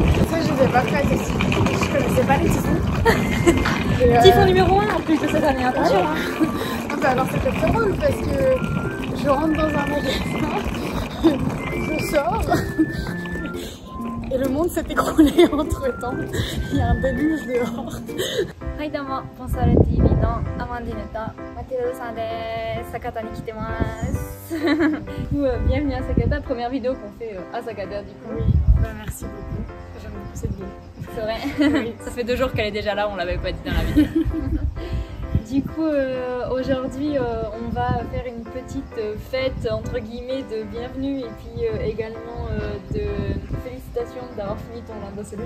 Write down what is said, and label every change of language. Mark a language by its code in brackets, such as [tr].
[fr] Ça, je n'étais pas prête aussi. Je connaissais pas les typhons. Typhon numéro 1 en plus de cette année. Attention. Voilà. Hein. Bah, alors, c'était très drôle parce que je rentre dans un magasin, je sors. Et le monde s'est écroulé entre temps. Il y a un déluge dehors. [ja] Hi, どうも。ポンサル TV のアマンディネとマティルドさんです。酒田に来てます。 [fr] Bienvenue à Sakata, première vidéo qu'on fait à Sakata du coup. Oui, ben, merci beaucoup. J'aime beaucoup cette vidéo. C'est vrai. Oui. Ça fait deux jours qu'elle est déjà là, on l'avait pas dit dans la vidéo. Du coup, aujourd'hui, on va faire une petite fête, entre guillemets, de bienvenue et puis également de félicitations d'avoir fini ton lingot solo.